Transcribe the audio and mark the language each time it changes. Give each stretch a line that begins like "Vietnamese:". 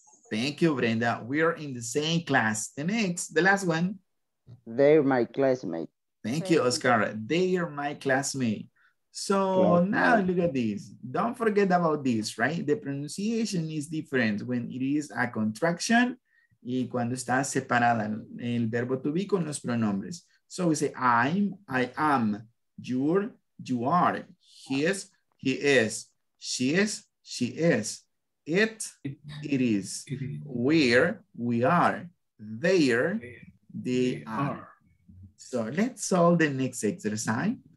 English: Thank you, Brenda. We're in the same class. The next, the last one. They're my classmate. Thank you, Oscar. They're my classmate. So yeah. Now look at this. Don't forget about this, right? The pronunciation is different when it is a contraction.
Spanish: Y cuando está separada el verbo to be con los pronombres.
English: So we say I'm, I am, you're, you are, his, he is, she is, she is, it, it is, we're, we are, they're, they are. So let's solve the next exercise.